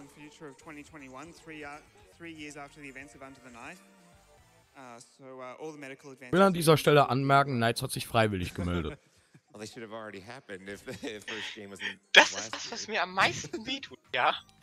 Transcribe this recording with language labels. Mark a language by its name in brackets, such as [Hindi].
[German] Ich will an dieser Stelle anmerken, Knights hat sich freiwillig gemeldet. [English] Well, they should have already happened if the first game was in last year. [German] Das ist das, was mir am meisten wehtut, ja?